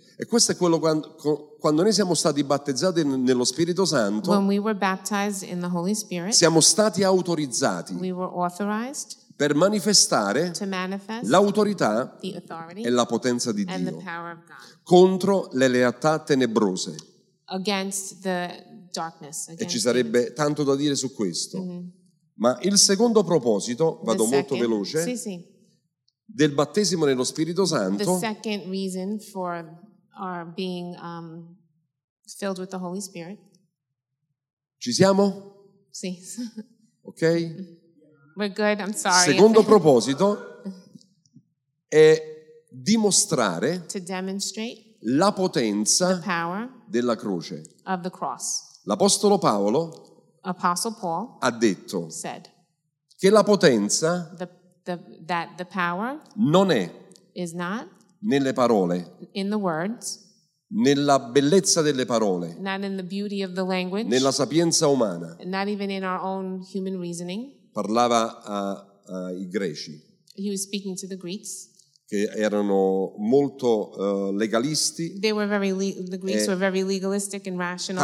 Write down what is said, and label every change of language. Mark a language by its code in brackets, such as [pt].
[it] E questo è quello quando noi siamo stati battezzati nello Spirito Santo. [en] When we were baptized in the Holy Spirit, [it] siamo stati autorizzati. [en] We were authorized [it] per manifestare [en] to manifest [it] l'autorità [en] the authority [it] e la potenza di Dio [en] and the power of God. [it] Contro le realtà tenebrose. [en] Against the darkness, [it] e ci sarebbe tanto da dire su questo. Mm-hmm. Ma il secondo proposito, vado [en] second, [it] molto veloce, sì, sì. del battesimo nello Spirito Santo. [en] The second reason for our being filled with the Holy Spirit. [it] Ci siamo? Sì. Ok? [en] We're good, I'm sorry. [it] Secondo proposito è dimostrare [en] to demonstrate [it] la potenza [en] the power [it] della croce. [en] Of the cross. [it] L'Apostolo Paolo [en] Apostle Paul [it] ha detto [en] said [it] che la potenza [en] that the power [it] non è [en] is not [it] nelle parole [en] in the words [it] nella bellezza delle parole [en] not in the beauty of the language [it] nella sapienza umana [en] not even in our own human reasoning [it] parlava ai greci [en] he was speaking to the Greeks [it] che erano molto legalisti [en] they were very the Greeks were very legalistic and rational